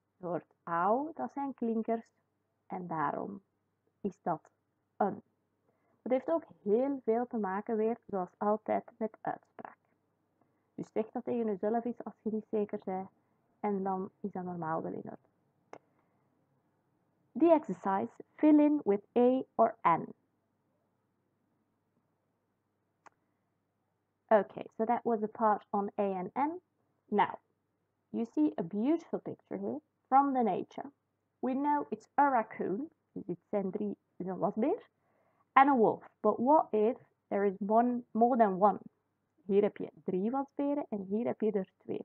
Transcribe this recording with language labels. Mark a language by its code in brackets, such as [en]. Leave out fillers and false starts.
[nl] Je hoort au, dat zijn klinkers. En daarom is dat een. Dat heeft ook heel veel te maken weer, zoals altijd, met uitspraak. Dus zeg dat tegen jezelf eens als je niet zeker bent. En dan is dat normaal wel in orde. [en] The exercise, fill in with A or N. Okay, so that was the part on A and N. Now, you see a beautiful picture here from the nature. We know it's a raccoon, it's a wasbeer, and a wolf. But what if there is one more than one? [nl] Hier heb je drie wasberen en hier heb je er twee.